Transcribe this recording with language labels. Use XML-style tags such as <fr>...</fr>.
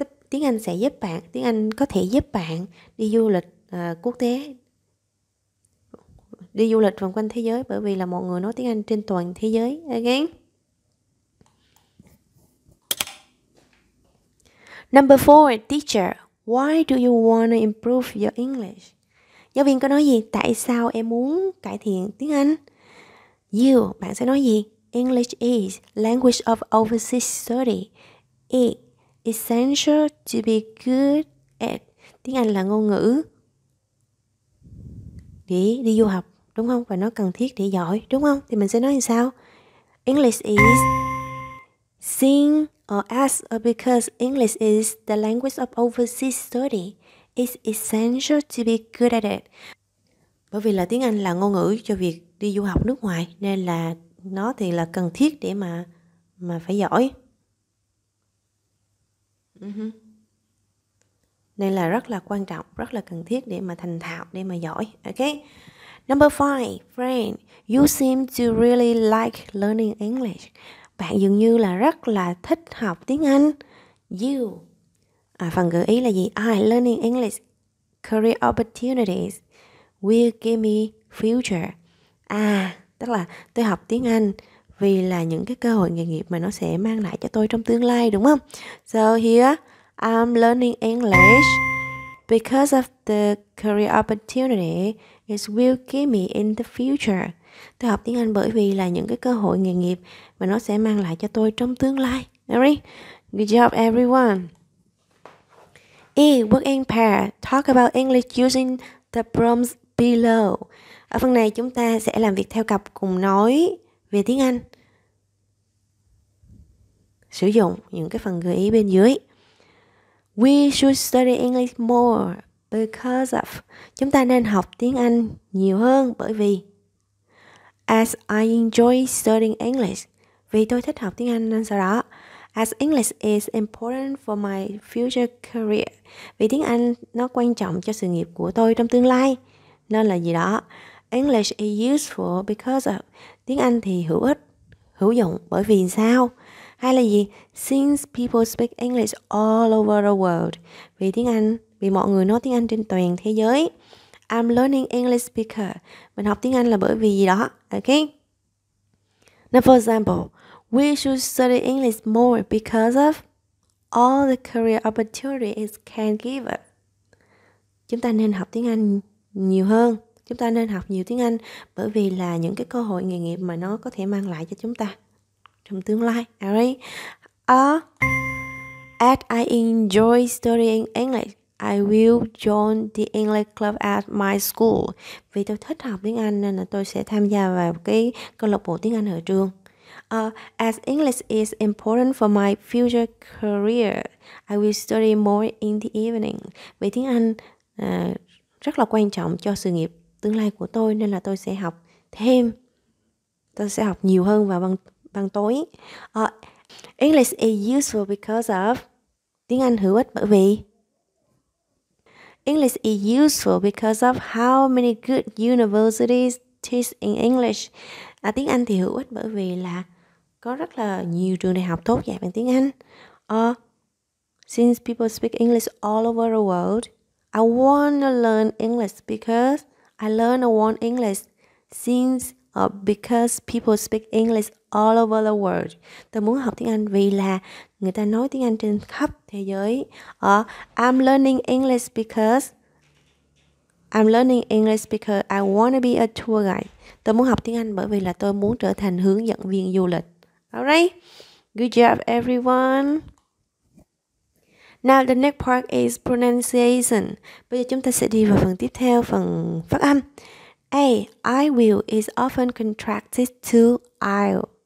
<vi>Tiếng Anh sẽ giúp bạn, tiếng Anh có thể giúp bạn đi du lịch quốc tế, đi du lịch vòng quanh thế giới bởi vì là mọi người nói tiếng Anh trên toàn thế giới.</vi> <en>Again. Number four, teacher, why do you want to improve your English?</en> <vi>Giáo viên có nói gì? Tại sao em muốn cải thiện tiếng Anh? You, bạn sẽ nói gì?</vi> <en>English is language of overseas study. It essential to be good at.</en> <vi>Tiếng Anh là ngôn ngữ để đi du học, đúng không? Và nó cần thiết để giỏi, đúng không? Thì mình sẽ nói như sao?</vi> <en>English is since or as or because English is the language of overseas study. It's essential to be good at it.</en> <vi>Bởi vì là tiếng Anh là ngôn ngữ cho việc đi du học nước ngoài nên là nó thì là cần thiết để mà phải giỏi. Nên là rất là quan trọng, rất là cần thiết để mà thành thạo, để mà giỏi.</vi> <en>Okay. Number five, friend, you seem to really like learning English.</en> <vi>Bạn dường như là rất là thích học tiếng Anh. You. Phần gợi ý là gì?</vi> <en>Learning English career opportunities will give me future.</en> <vi>Tức là tôi học tiếng Anh vì là những cái cơ hội nghề nghiệp mà nó sẽ mang lại cho tôi trong tương lai, đúng không?</vi> <en>So here, I'm learning English because of the career opportunity it will give me in the future.</en> <vi>Tôi học tiếng Anh bởi vì là những cái cơ hội nghề nghiệp mà nó sẽ mang lại cho tôi trong tương lai.</vi> <en>Alright, good job everyone. E, work in pair. Talk about English using the prompts below.</en> <vi>Ở phần này chúng ta sẽ làm việc theo cặp cùng nói về tiếng Anh. Sử dụng những cái phần gợi ý bên dưới.</vi> <en>We should study English more because of.</en> <vi>Chúng ta nên học tiếng Anh nhiều hơn bởi vì.</vi> <en>As I enjoy studying English.</en> <vi>Vì tôi thích học tiếng Anh nên sau đó.</vi> <en>As English is important for my future career.</en> <vi>Vì tiếng Anh nó quan trọng cho sự nghiệp của tôi trong tương lai. Nên là gì đó.</vi> <en>English is useful because of.</en> <vi>Tiếng Anh thì hữu ích, hữu dụng bởi vì sao? Hay là gì?</vi> <en>Since people speak English all over the world.</en> <vi>Vì tiếng Anh, vì mọi người nói tiếng Anh trên toàn thế giới.</vi> <en>I'm learning English speaker.</en> <vi>Mình học tiếng Anh là bởi vì gì đó.</vi> <en>Okay? Now for example, we should study English more because of all the career opportunities can give us.</en> <vi>Chúng ta nên học tiếng Anh nhiều hơn. Chúng ta nên học nhiều tiếng Anh bởi vì là những cái cơ hội nghề nghiệp mà nó có thể mang lại cho chúng ta trong tương lai.</vi> <en>As I enjoy studying English, I will join the English club at my school.</en> <vi>Vì tôi thích học tiếng Anh nên là tôi sẽ tham gia vào cái câu lạc bộ tiếng Anh ở trường.</vi> <en>As English is important for my future career, I will study more in the evening.</en> <vi>Vì tiếng Anh rất là quan trọng cho sự nghiệp tương lai của tôi nên là tôi sẽ học thêm. Tôi sẽ học nhiều hơn vào bằng tối.</vi> <en>English is useful because of.</en> <vi>Tiếng Anh hữu ích bởi vì.</vi> <en>English is useful because of how many good universities teach in English.</en> <vi>Tiếng Anh thì hữu ích bởi vì là có rất là nhiều trường đại học tốt dạy bằng tiếng Anh.</vi> <en>Since people speak English all over the world, I want to learn English because I learn a one English since because people speak English all over the world.</en> <vi>Tôi muốn học tiếng Anh vì là người ta nói tiếng Anh trên khắp thế giới.</vi> <en>I'm learning English because I want to be a tour guide.</en> <vi>Tôi muốn học tiếng Anh bởi vì là tôi muốn trở thành hướng dẫn viên du lịch.</vi> <en>Alright, good job everyone. Now the next part is pronunciation.</en> <vi>Bây giờ chúng ta sẽ đi vào phần tiếp theo, phần phát âm.</vi> <en>A, I will is often contracted to I'll.</en>